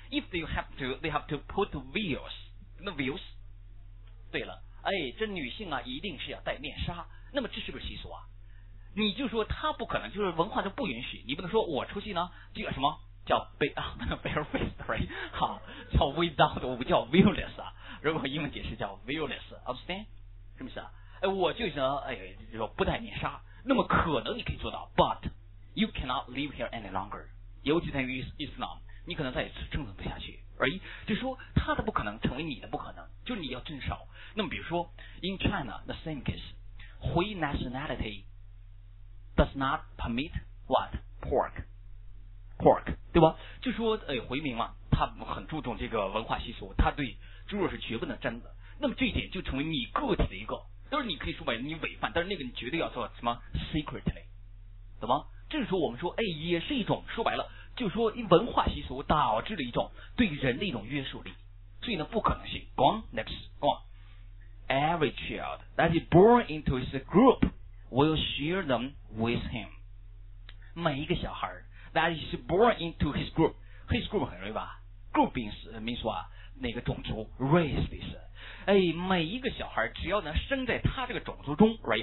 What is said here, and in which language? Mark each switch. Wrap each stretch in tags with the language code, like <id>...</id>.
<en>If they have to， they have to put veils， no veils。</en> <zh>对了，哎，这女性啊，一定是要戴面纱。那么这是不是习俗啊？你就说她不可能，就是文化就不允许。你不能说我出去呢，这个什么叫</zh> <en>bare faced，</en> <zh>right？好，叫 without， 我不叫 veilless 啊。如果英文解释叫 veilless，</zh> <en>understand？</en> <zh>是不是啊？哎，我就想，哎，就说不戴面纱，那么可能你可以做到 ，</zh> <en>but you cannot live here any longer。</en> <zh>尤其在于伊斯兰，你可能再也生存不下去。而就说他的不可能成为你的不可能，就是你要遵守。那么比如说</zh> <en>，in China the same case， Hui nationality does not permit what pork，</en> <zh>对吧？就说哎，回民嘛，他很注重这个文化习俗，他对猪肉是绝不能沾的。那么这一点就成为你个体的一个，但是你可以说白你违反，但是那个你绝对要做什么</zh> <en>secretly，</en> <zh>懂吗？这时候我们说，哎，也是一种说白了，就是说文化习俗导致了一种对人的一种约束力，所以呢不可能性。</zh> <en>Go on, next, go on. Every child that is born into his group will share them with him.</en> <zh>每一个小孩</zh> <en>that is born into his group, his group</en> <zh>很容易吧</zh> <en>？Group means</en> <zh>啊哪个种族</zh> <en>？Race</en> <zh>的意思。哎，每一个小孩只要能生在他这个种族中 ，</zh> <en>right？</en>